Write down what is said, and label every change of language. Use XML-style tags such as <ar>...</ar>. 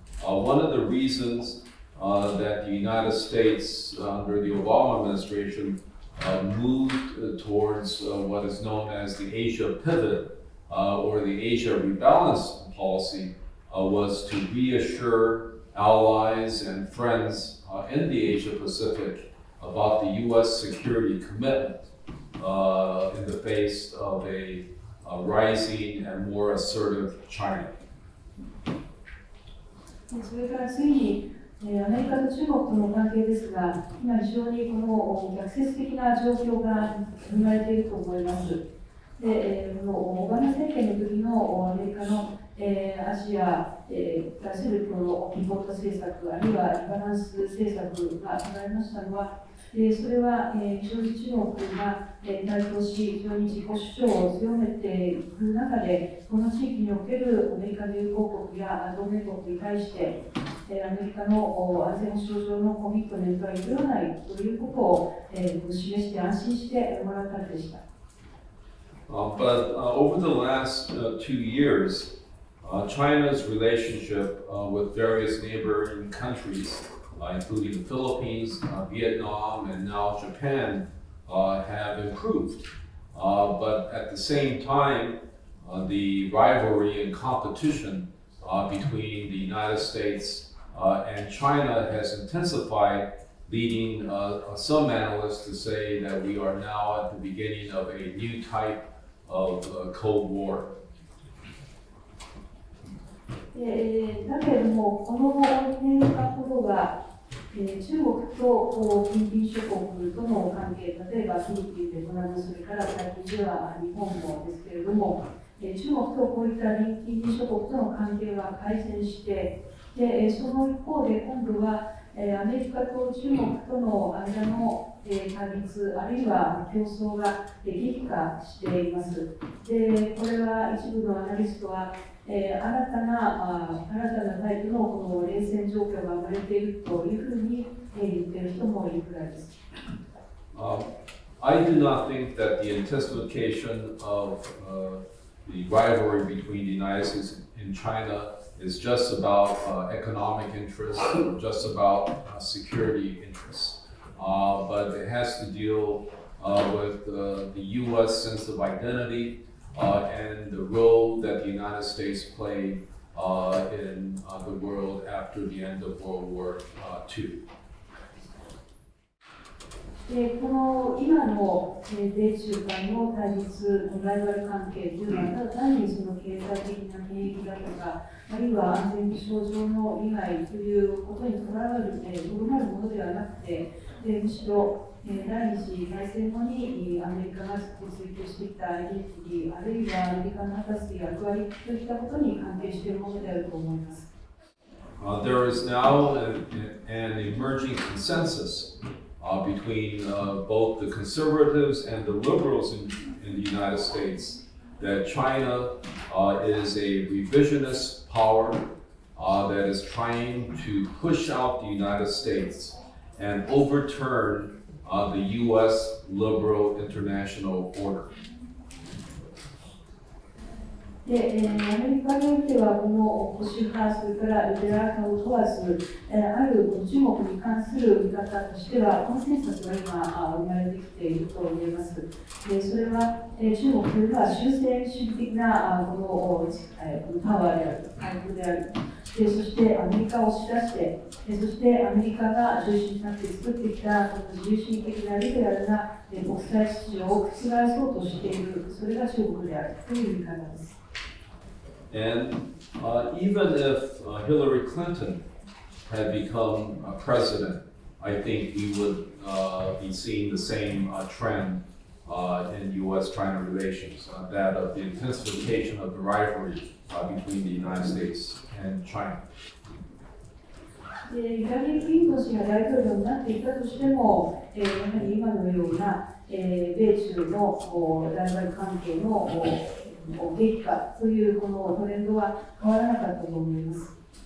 <en>One of the reasons that the United States, under the Obama administration, moved towards what is known as the Asia Pivot or the Asia Rebalance policy was to reassure allies and friends in the Asia-Pacific about the U.S. security commitment in the face of a rising and more assertive China.</en> <ja>それからついに、アメリカと中国との関係ですが、今非常にこの逆説的な状況が生まれていると思います。で、このオバマ政権の時のアメリカのアジアに対するこのリポート政策、あるいはリバランス政策が取られましたのは、それは非常に中国が台頭し、非常に自己主張を強めていく中で、この地域におけるアメリカの友好国や同盟国に対して、アメリカの安全保障上のコミットメントは揺るがないということを示して安心してもらったのでした。</ja> <en>But over the last 2 years,China's relationship with various neighboring countries, including the Philippines, Vietnam, and now Japan, have improved. But at the same time, the rivalry and competition between the United States and China has intensified, leading some analysts to say that we are now at the beginning of a new type of Cold War.</en> <ja>だけれども、この変化ほどが、中国と近隣諸国との関係、例えばフィリピンでございます、それから最近では日本もですけれども、中国とこういった近隣諸国との関係は改善して、でその一方で今度は、アメリカと中国との間の対立、あるいは競争が激化しています。でこれは一部のアナリストは、新たなタイプのこの冷戦状況が生まれているというふうに言っている人もいるくらいです。</ja> <en>I do not think that the intensification of the rivalry between the United States and China is just about economic interests or just about security interests, but it has to deal with the U.S. sense of identity. And the role that the United States played in the world after the end of World War II.</en> <ja>この今の米中間の対立、ライバル関係というのは、ただ単にその経済的な権益だとか、あるいは安全保障上の利害ということにとらわれて、とどまるものではなくて、でむしろ第二次大戦後にアメリカが追求してきたアイデンティティ、あるいはアメリカの果たす役割といったことに関係しているものであると思います。</ja> <en>There is now an emerging consensus between both the conservatives and the liberals in the United States that China is a revisionist power that is trying to push out the United States and overturn on the U.S. liberal international order.</en> <ja>で、アメリカにおいてはこの保守派それからリベラル派を問わず、ある中国に関する見方としてはコンセンサスが今生まれてきていると言えます。で、それは中国というのは修正主義的なこのパワーである、パイプである。で、そしてアメリカを押し出して、で、そしてアメリカが中心になって作ってきたこの自由主義的なリベラルな国際秩序を覆そうとしている、それが中国であるという見方です。</ja> <en>And even if Hillary Clinton had become president, I think we would be seeing the same trend in U.S.-China relations, that of the intensification of the rivalry between the United States and China.</en> <ja>で、ヒラリー・クリントン氏が大統領になっていたとしても、やはり今のような、米中のライバル関係の激化というこのトレンドは変わらなかったと思います。</ja>